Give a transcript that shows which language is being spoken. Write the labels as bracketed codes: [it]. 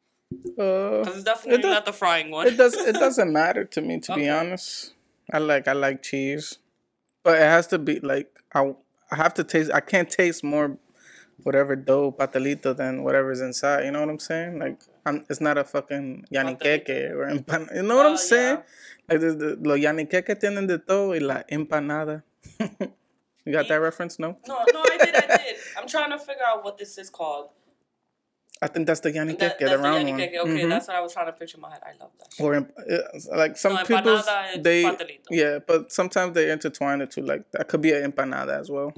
[en] Because it's definitely not the frying one. It doesn't matter to me, to be honest. I like cheese. But it has to be, like, I have to taste, I can't taste more whatever dough, patelito, than whatever's inside. You know what I'm saying? Like, it's not a fucking yaniqueque or empanada. You know what I'm saying? [es] Like, los yaniqueques tienen de todo y la empanada. [en] You got that reference? No? No, I did. I'm trying to figure out what this is called. I think that's the yaniqueque, that, that's the round yaniqueque. One. Okay, mm-hmm. That's what I was trying to picture in my head. I love that. Or like some no, people, they patelito. Yeah, but sometimes they intertwine the two. Like that could be an empanada as well.